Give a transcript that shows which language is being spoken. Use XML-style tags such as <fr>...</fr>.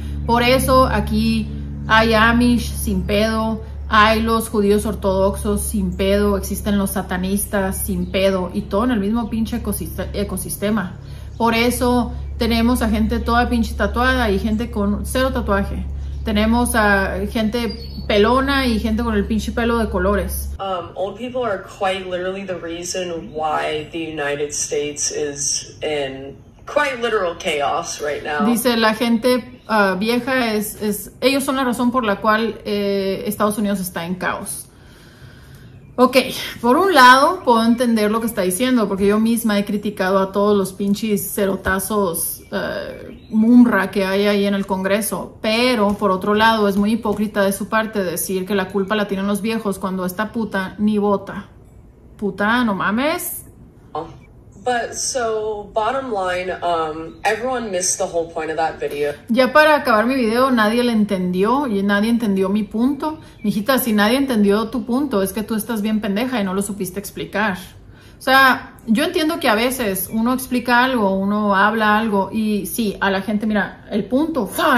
<es>Por eso aquí hay Amish sin pedo. Hay los judíos ortodoxos sin pedo, existen los satanistas sin pedo y todo en el mismo pinche ecosistema. Por eso tenemos a gente toda pinche tatuada y gente con cero tatuaje. Tenemos a gente pelona y gente con el pinche pelo de colores.</es> <en>Old people are quite literally the reason why the United States is in quite literal chaos right now.</en> <es>Dice, la gente vieja es ellos son la razón por la cual Estados Unidos está en caos. Ok, por un lado puedo entender lo que está diciendo, porque yo misma he criticado a todos los pinches cerotazos mumra que hay ahí en el Congreso, pero por otro lado es muy hipócrita de su parte decir que la culpa la tienen los viejos cuando esta puta ni vota. Puta, no mames.</es> <en>But so, bottom line, everyone missed the whole point of that video.</en> <es>Ya para acabar mi video, nadie le entendió y nadie entendió mi punto. Mijita, si nadie entendió tu punto, es que tú estás bien pendeja y no lo supiste explicar. O sea, yo entiendo que a veces uno explica algo, uno habla algo y sí, a la gente, mira, el punto ¡fua!</es>